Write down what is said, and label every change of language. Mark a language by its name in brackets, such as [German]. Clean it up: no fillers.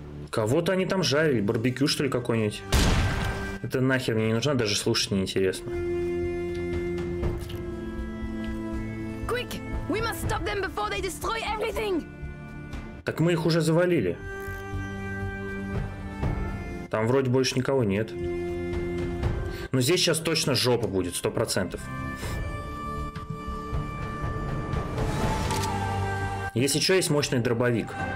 [Russian] Кого-то они там жарили, барбекю что ли какой-нибудь? Это нахер мне не нужно, даже слушать неинтересно. [English] Quick, we must stop them before they destroy everything. [Russian] Так мы их уже завалили. Там вроде больше никого нет. Но здесь сейчас точно жопа будет, 100%. Если что, есть мощный дробовик.